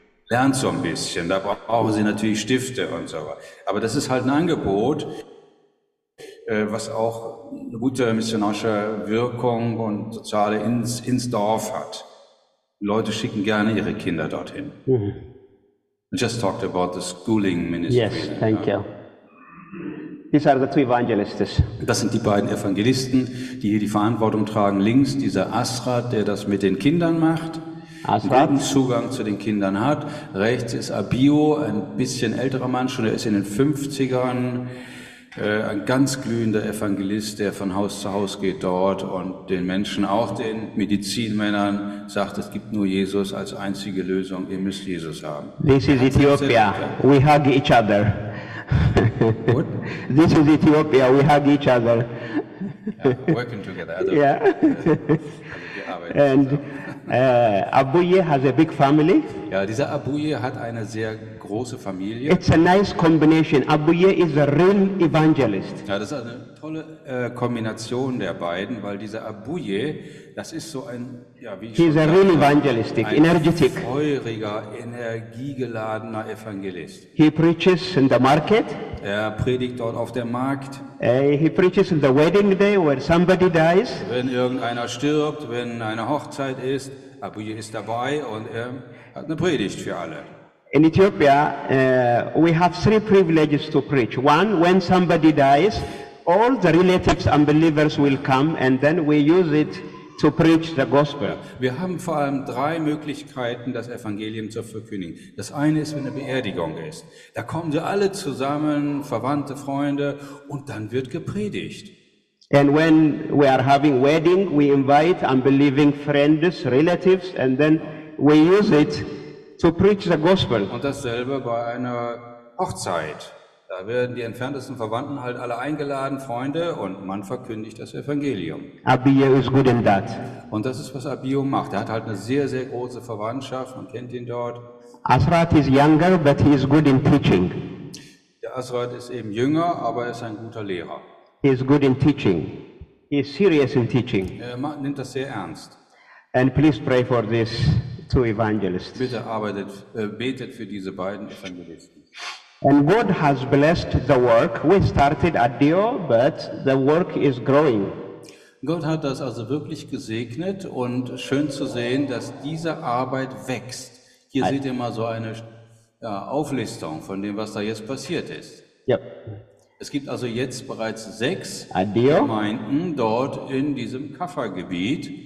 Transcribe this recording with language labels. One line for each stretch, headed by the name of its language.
German: Lernt so ein bisschen, da brauchen sie natürlich Stifte und so weiter. Aber das ist halt ein Angebot, was auch eine gute missionarische Wirkung und soziale ins Dorf hat. Die Leute schicken gerne ihre Kinder dorthin.
English: Mm-hmm. I just talked about the schooling ministry. Yes, thank you. These are the two evangelists.
German: Das sind die beiden Evangelisten, die hier die Verantwortung tragen. Links dieser Asrat, der das mit den Kindern macht, guten Zugang zu den Kindern hat. Rechts ist Abio, ein bisschen älterer Mann schon, er ist in den 50ern, ein ganz glühender Evangelist, der von Haus zu Haus geht dort und den Menschen, auch den Medizinmännern, sagt, es gibt nur Jesus als einzige Lösung, ihr müsst Jesus haben.
English: This is Ethiopia, we hug each other. What? This is Ethiopia, we hug each other. Yeah, working together. Yeah. Yeah. And Abuye has a big family.
German: Ja, dieser Abuye hat eine sehr große Familie.
English: It's a nice combination. Abuye is a real evangelist.
German: Ja, das ist eine tolle Kombination der beiden, weil dieser Abuye, das ist so ein, ja, wie ich
English: He's a real evangelist, energetic.
German: Ein feuriger, energiegeladener Evangelist.
English: He preaches in the market.
German: Er predigt dort auf dem Markt.
English: He preaches on the wedding day where somebody dies.
German: Wenn irgendeiner stirbt, wenn eine Hochzeit ist, Abuye ist dabei und er hat eine Predigt für alle.
English: In Ethiopia, we have three privileges to preach. One, when somebody dies, all the relatives and believers will come and then we use it to preach the gospel.
German: Ja, wir haben vor allem drei Möglichkeiten, das Evangelium zu verkündigen. Das eine ist, wenn eine Beerdigung ist. Da kommen sie alle zusammen, Verwandte, Freunde, und dann wird gepredigt.
English: And when we are having wedding, we invite unbelieving friends, relatives, and then we use it to preach the gospel.
German: Und dasselbe bei einer Hochzeit. Da werden die entferntesten Verwandten halt alle eingeladen, Freunde, und man verkündigt das Evangelium.
English: Abio is good in that.
German: Und das ist, was Abio macht. Er hat halt eine sehr, sehr große Verwandtschaft, man kennt ihn dort.
English: Asrat is younger, but he is good in teaching.
German: Der Asrat ist eben jünger, aber er ist ein guter Lehrer.
English: He is good in teaching. He is serious in teaching.
German: Er nimmt das sehr ernst.
English: And please pray for these two evangelists.
German: Bitte arbeitet, betet für diese beiden Evangelisten.
English: And God has blessed the work. We started at Dio, but the work is growing.
German: Gott hat das also wirklich gesegnet und schön zu sehen, dass diese Arbeit wächst. Hier seht ihr mal so eine Auflistung von dem, was da jetzt passiert ist.
English: Yep.
German: Es gibt also jetzt bereits 6 Addio Gemeinden dort in diesem Kaffergebiet.